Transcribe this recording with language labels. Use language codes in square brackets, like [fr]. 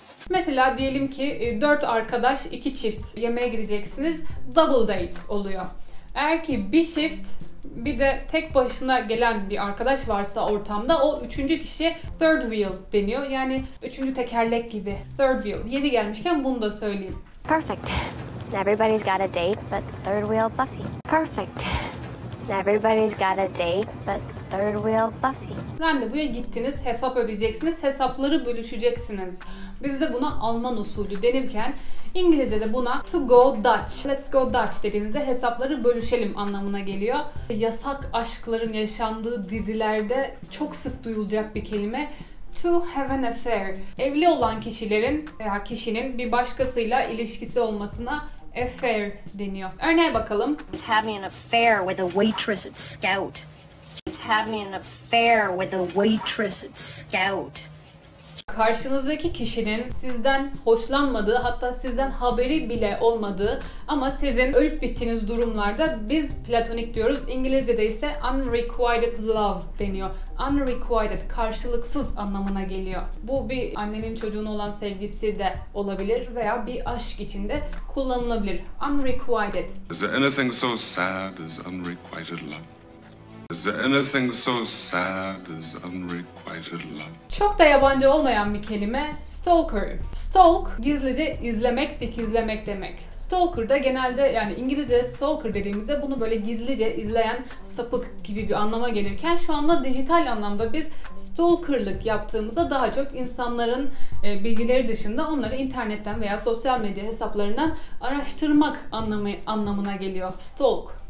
[tr] Mesela diyelim ki 4 arkadaş 2 çift yemeğe gideceksiniz. Double date oluyor. Eğer ki bir çift bir de tek başına gelen bir arkadaş varsa ortamda o üçüncü kişi third wheel deniyor. Yani üçüncü tekerlek gibi. Third wheel. Yeni gelmişken bunu da söyleyeyim. [en] Perfect. Everybody's got a date but third wheel Buffy. Perfect. Everybody's got a date but third wheel Buffy. [tr] Randevuya gittiniz, hesap ödeyeceksiniz, hesapları bölüşeceksiniz. Biz de buna Alman usulü denirken, İngilizce'de buna [en] to go Dutch, let's go Dutch [tr] dediğinizde hesapları bölüşelim anlamına geliyor. Yasak aşkların yaşandığı dizilerde çok sık duyulacak bir kelime. [en] To have an affair. [tr] Evli olan kişilerin veya kişinin bir başkasıyla ilişkisi olmasına affair deniyor. Örneğe bakalım. [en] He's having an affair with a waitress at Scout. He's having an affair with a waitress at Scout. [tr] Karşınızdaki kişinin sizden hoşlanmadığı, hatta sizden haberi bile olmadığı ama sizin ölüp bittiğiniz durumlarda biz platonik diyoruz. İngilizce'de ise [en] unrequited love [tr] deniyor. Unrequited, karşılıksız anlamına geliyor. Bu bir annenin çocuğuna olan sevgisi de olabilir veya bir aşk içinde kullanılabilir. [en] Unrequited. Is there anything so sad as unrequited love? Is there anything so sad as unrequited love? [tr] Çok da yabancı olmayan bir kelime stalker. Stalk, gizlice izlemek, dikizlemek demek. Stalker da genelde yani İngilizce'de stalker dediğimizde bunu böyle gizlice izleyen sapık gibi bir anlama gelirken şu anda dijital anlamda biz stalkerlık yaptığımızda daha çok insanların bilgileri dışında onları internetten veya sosyal medya hesaplarından araştırmak anlamına geliyor. Stalk.